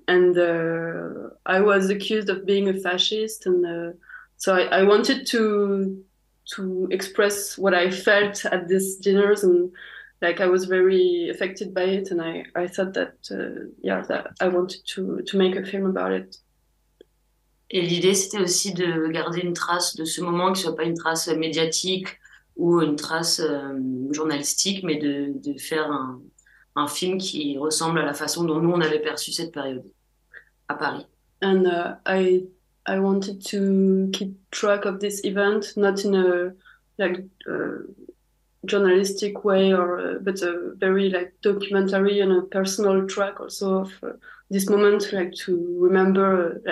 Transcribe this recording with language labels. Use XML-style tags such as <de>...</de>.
<en>And I was accused of being a fascist. And so I wanted to express what I felt at these dinners. And like I was very affected by it. And I thought that, that I wanted to make a film about it.</en> <fr>Et l'idée, c'était aussi de garder une trace de ce moment, qu'il ne soit pas une trace médiatique ou une trace journalistique, mais de faire un film qui ressemble à la façon dont nous, on avait perçu cette période à Paris.</fr> <en>And I wanted to keep track of this event, not in a like journalistic way, but a very like documentary and a personal track also of this moment, like to remember...</en>